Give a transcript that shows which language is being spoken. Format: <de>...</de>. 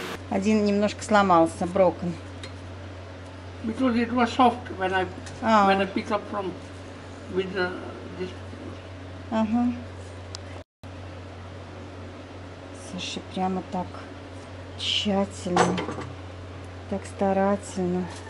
<ru>Один немножко сломался, broken.</ru> <en>Because it was soft when I when I pick up from with the, this.</en> <ru>Саша прямо так тщательно, так старательно.</ru>